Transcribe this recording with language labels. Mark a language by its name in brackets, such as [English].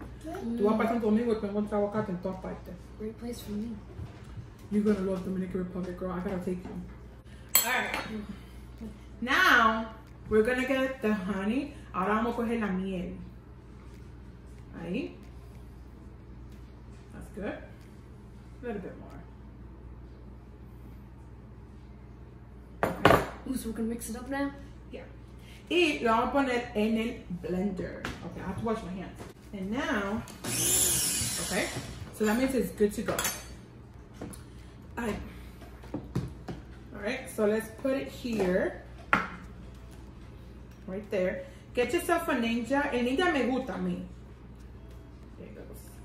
[Spanish] Tu vas para Santo Domingo, tú encuentras avocado en todas partes. [English] Great place for me. You're gonna love Dominican Republic, girl. I gotta take you. Alright. Now, we're gonna get the honey. [Spanish] Ahora vamos a coger la miel. Ahí. [English] That's good. A little bit more. Okay. Ooh, so we're gonna mix it up now? [Spanish] Y lo vamos a poner en el blender. [English] Okay, I have to wash my hands. And now, okay, so that means it's good to go. All right, so let's put it here. Right there. Get yourself a ninja. [Spanish] El ninja me gusta a mí. [English] There it goes.